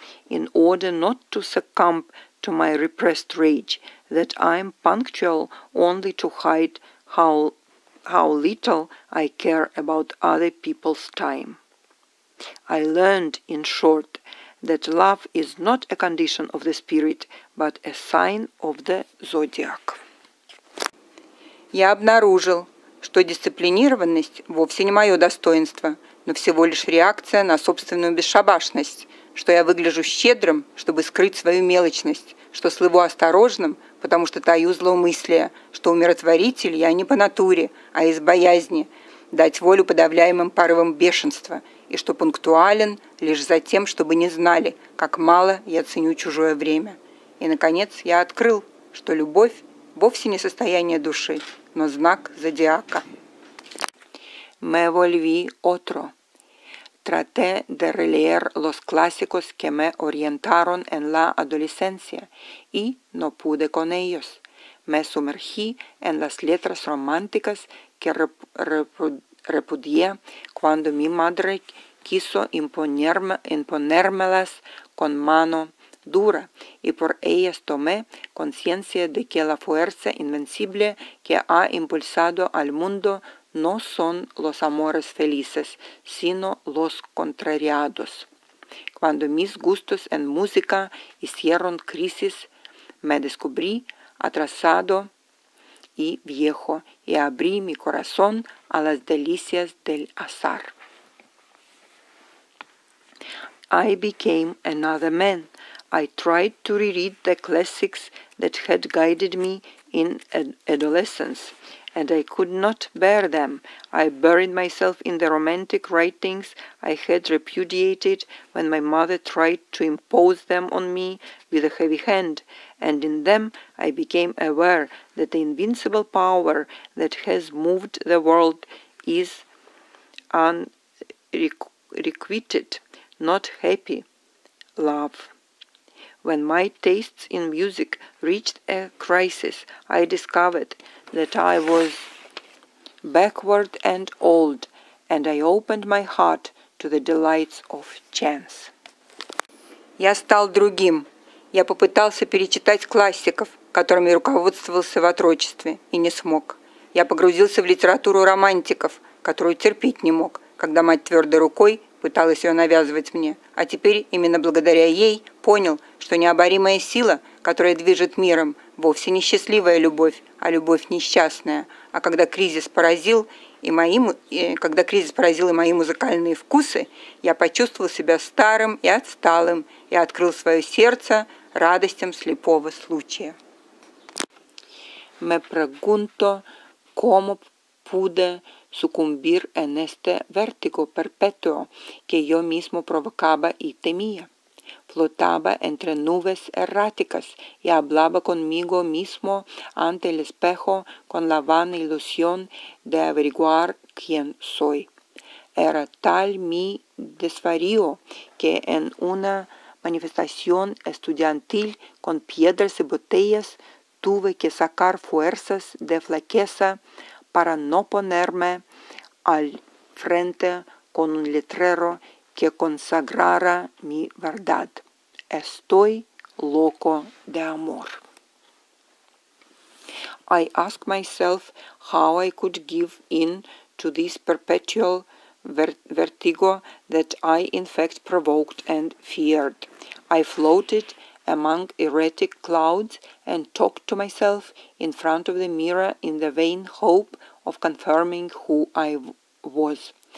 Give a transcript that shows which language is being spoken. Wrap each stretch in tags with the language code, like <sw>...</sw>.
<en>in order not to succumb to my repressed rage, that I am punctual only to hide how little I care about other people's time. I learned, in short, that love is not a condition of the spirit, but a sign of the zodiac.</en> <ru>Я обнаружил, что дисциплинированность вовсе не мое достоинство, но всего лишь реакция на собственную бесшабашность, что я выгляжу щедрым, чтобы скрыть свою мелочность, что слыву осторожным, потому что таю злоумыслие, что умиротворитель я не по натуре, а из боязни дать волю подавляемым порывам бешенства, и что пунктуален лишь за тем, чтобы не знали, как мало я ценю чужое время. И, наконец, я открыл, что любовь вовсе не состояние души, но знак зодиака.</ru> <es>Me volví otro. Traté de releer los clásicos que me orientaron en la adolescencia y no pude con ellos. Me sumergí en las letras románticas que repudié cuando mi madre quiso imponérmelas con mano dura, y por ellas tomé conciencia de que la fuerza invencible que ha impulsado al mundo no son los amores felices, sino los contrariados. Cuando mis gustos en música hicieron crisis, me descubrí atrasado y viejo, y abrí mi corazón a las delicias del azar.</es> <en>I became another man. I tried to reread the classics that had guided me in adolescence, and I could not bear them. I buried myself in the romantic writings I had repudiated when my mother tried to impose them on me with a heavy hand, and in them I became aware that the invincible power that has moved the world is unrequited, not happy, love. When my tastes in music reached a crisis, I discovered that I was backward and old, and I opened my heart to the delights of chance.</en> <ru>Я стал другим. Я попытался перечитать классиков, которыми руководствовался в отрочестве, и не смог. Я погрузился в литературу романтиков, которую терпеть не мог, когда мать твердой рукой пыталась ее навязывать мне. А теперь, именно благодаря ей, понял, что необоримая сила, которая движет миром, вовсе не счастливая любовь, а любовь несчастная. А когда кризис поразил и мои музыкальные вкусы, я почувствовал себя старым и отсталым и открыл свое сердце радостям слепого случая.</ru> <es>Me pregunto cómo pude sucumbir en este vértigo perpetuo que yo mismo provocaba y temía. Flotaba entre nubes erráticas y hablaba conmigo mismo ante el espejo con la vana ilusión de averiguar quién soy. Era tal mi desvarío que en una manifestación estudiantil con piedras y botellas tuve que sacar fuerzas de flaqueza para no ponerme al frente con un letrero que consagrara mi verdad. Estoy loco de amor.</es> <en>I asked myself how I could give in to this perpetual vertigo that I in fact provoked and feared. I floated among erratic clouds and talked to myself in front of the mirror in the vain hope of confirming who I was.</en>